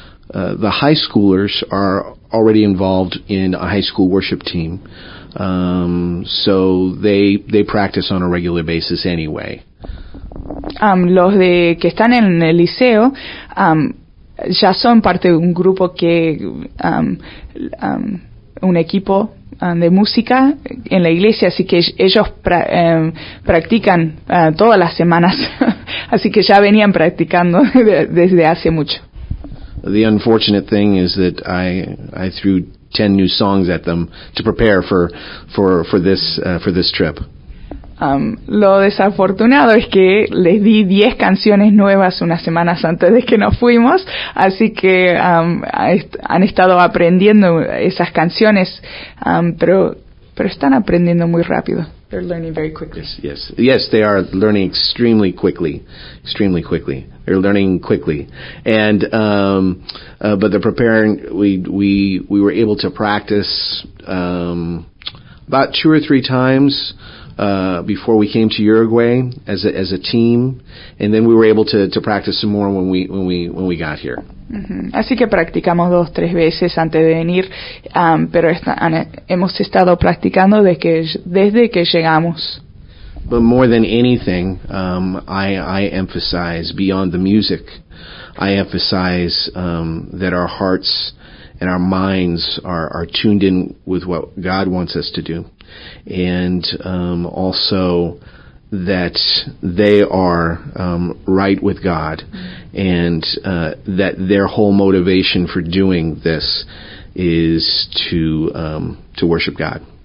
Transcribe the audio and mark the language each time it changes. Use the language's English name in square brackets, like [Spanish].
[English] The high schoolers are already involved in a high school worship team, so they practice on a regular basis anyway. [Spanish] Los de que están en el liceo ya son parte de un grupo que un equipo de música en la iglesia, así que ellos practican todas las semanas, así que ya venían practicando desde hace mucho. [English] The unfortunate thing is that I threw 10 new songs at them to prepare for this trip. [Spanish] Lo desafortunado es que les di 10 canciones nuevas unas semanas antes de que nos fuimos, así que han estado aprendiendo esas canciones, pero están aprendiendo muy rápido. [English] They're learning very quickly. Yes, they are learning extremely quickly, extremely quickly. They're learning quickly, and but they're preparing. We were able to practice about 2 or 3 times before we came to Uruguay as a team, and then we were able to practice some more when we got here. Mm-hmm. [Spanish] Así que practicamos 2-3 veces antes de venir, pero hemos estado practicando desde que llegamos. [English] But more than anything, I emphasize beyond the music, I emphasize that our hearts and our minds are tuned in with what God wants us to do, and also that they are right with God, and that their whole motivation for doing this is to worship God.